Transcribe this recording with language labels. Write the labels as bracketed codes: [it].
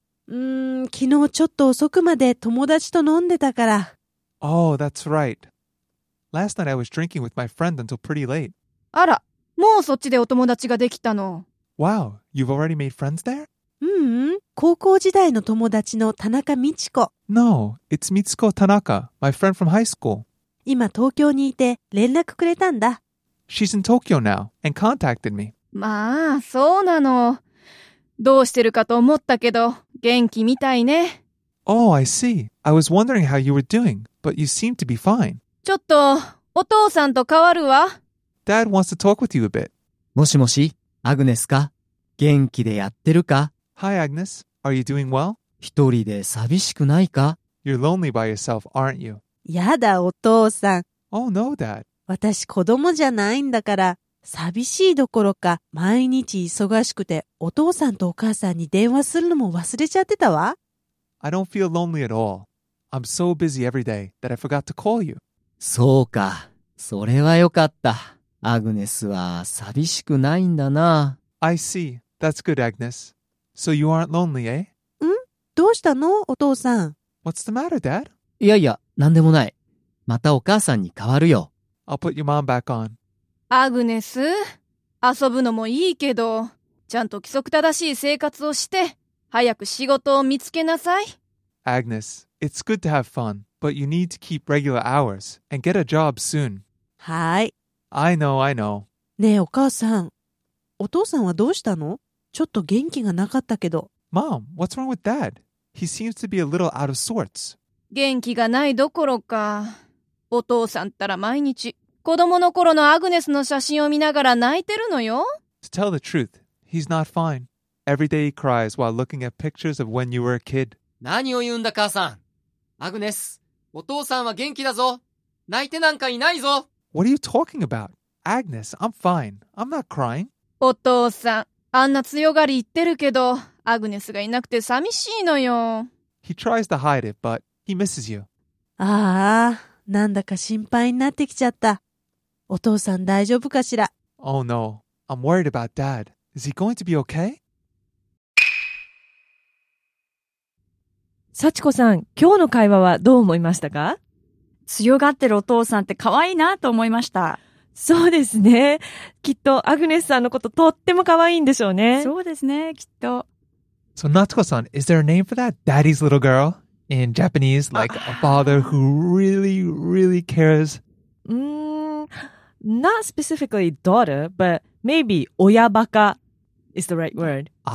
[ja] 昨日ちょっと遅くまで友達と飲んでたから。 [en] Oh, that's right. Last night I was drinking with my friend until pretty late. [ja] あら、もうそっちでお友達ができたの？ [en] Wow, you've already made friends there? [ja] うん、高校時代の友達の田中美智子。 [en] No, it's Mitsuko Tanaka, my friend from high school. [ja] 今東京にいて連絡くれたんだ。 [en] She's in Tokyo now and contacted me. [ja] まあそうなの。どうしてるかと思ったけど元気みたいね。 [en] Oh, I see. I was wondering how you were doing, but you seem to be fine. [ja] ちょっとお父さんと代わるわ。 [en] Dad wants to talk with you a bit. [ja] もしもし、アグネスか。元気でやってるか。 [en] Hi Agnes, are you doing well? [ja] 一人で寂しくないか。 [en] You're lonely by yourself, aren't you? [ja] やだお父さん。 [en] Oh no, Dad. [ja] 私子供じゃないんだから。寂しいどころか毎日忙しくてお父さんとお母さんに電話するのも忘れちゃってたわ。 [en] I don't feel lonely at all. I'm so busy every day that I forgot to call you. [ja] そうか、それはよかった。アグネスは寂しくないんだな。 [en] I see. That's good, Agnes. So you aren't lonely, eh? [ja] ん？どうしたのお父さん。 [en] What's the matter, Dad? [ja] いやいや、なんでもない。またお母さんに代わるよ。 [en] I'll put your mom back on. [ja] アグネス、遊ぶのもいいけど、ちゃんと規則正しい生活をして、早く仕事を見つけなさい。 [en] Agnes, it's good to have fun, but you need to keep regular hours and get a job soon. [ja] はい。 [en] I know, I know. [ja] ねえお母さん、お父さんはどうしたの？ちょっと元気がなかったけど。 [en] Mom, what's wrong with Dad? He seems to be a little out of sorts. [ja] 元気がないどころか。お父さんったら毎日、子供の頃のアグネスの写真を見ながら泣いてるのよ。 [en] To tell the truth, he's not fine. Every day he cries while looking at pictures of when you were a kid. [ja] 何を言うんだ、母さん。アグネス、お父さんは元気だぞ。泣いてなんかいないぞ。 [en] What are you talking about? Agnes, I'm fine. I'm not crying. [ja] お父さん、あんな強がり言ってるけど、アグネスがいなくて寂しいのよ。 [en] He tries to hide it, but he misses you. [ja] ああ、なんだか心配になってきちゃった。お父さん大丈夫かしら。 [en] Oh no, I'm worried about Dad. Is he going to be okay? [ja] 幸子さん、今日の会話はどう思いましたか？強がってるお父さんって可愛いなと思いました。そうですね。きっとアグネスさんのこととっても可愛いんでしょうね。そうですね、きっと。 [en] So Natsuko-san, is there a name for that daddy's little girl? In Japanese, like a father who really, really cares? Not specifically daughter, but maybe 親バカ is the right word.